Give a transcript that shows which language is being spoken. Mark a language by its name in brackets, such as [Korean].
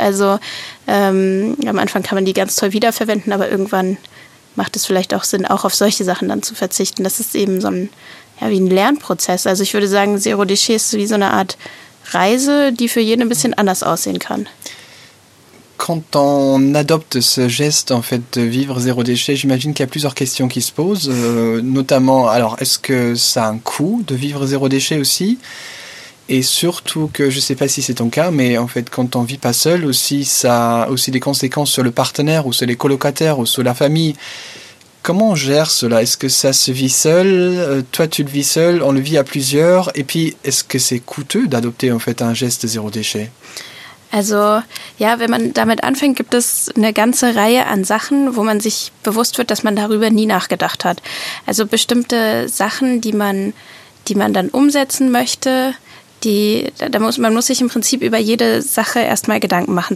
[German] Also am Anfang kann man die ganz toll wiederverwenden, aber irgendwann macht es vielleicht auch Sinn, auch auf solche Sachen dann zu verzichten. Das ist eben so ein, ja, wie ein Lernprozess. Also ich würde sagen, Zero Déchet ist wie so eine Art Reise, die für jeden ein bisschen anders aussehen kann. [French] Quand on adopte ce geste en fait de vivre zéro déchet, j'imagine qu'il y a plusieurs questions qui se posent, notamment, alors, est-ce que ça a un coût de vivre zéro déchet aussi? Et surtout que, je ne sais pas si c'est ton cas, mais en fait, quand on ne vit pas seul aussi, ça a aussi des conséquences sur le partenaire ou sur les colocataires ou sur la famille. Comment on gère cela? Est-ce que ça se vit seul? Toi, tu le vis seul, on le vit à plusieurs. Et puis, est-ce que c'est coûteux d'adopter en fait un geste zéro déchet? [German] Also ja, wenn man damit anfängt, gibt es eine ganze Reihe an Sachen, wo man sich bewusst wird, dass man darüber nie nachgedacht hat. Also bestimmte Sachen, die man dann umsetzen möchte, Man muss sich im Prinzip über jede Sache erstmal Gedanken machen.